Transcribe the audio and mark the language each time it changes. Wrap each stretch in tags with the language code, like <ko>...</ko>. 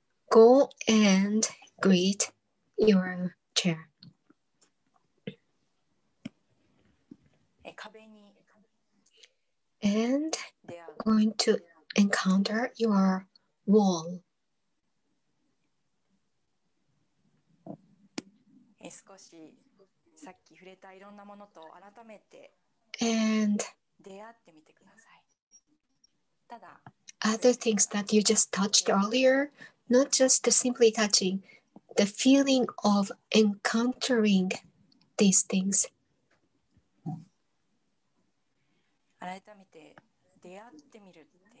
<en>Go and greet your chair. And going to encounter your wall.</en> <ja>少しさっき触れたいろんなものと改めて</ja> <en>and</en> <ja>出会ってみてください。ただ</ja> <en>other things that you just touched earlier, not just simply touching, the feeling of encountering these things.</en> <ja>改めて出会ってみるって</ja>